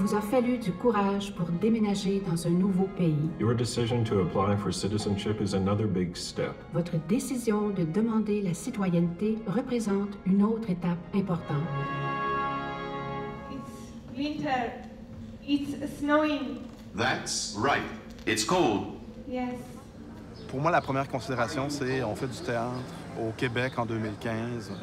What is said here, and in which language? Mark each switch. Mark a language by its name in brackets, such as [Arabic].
[French] Fallu du courage pour déménager dans un nouveau pays. [English] Your decision to apply for citizenship is another big step. [French] Votre décision de demander la citoyenneté représente une autre étape importante. [English] It's winter. It's snowing. That's right. It's cold. Yes. [French] Pour moi, la première considération, c'est on fait du théâtre au Québec en 2015.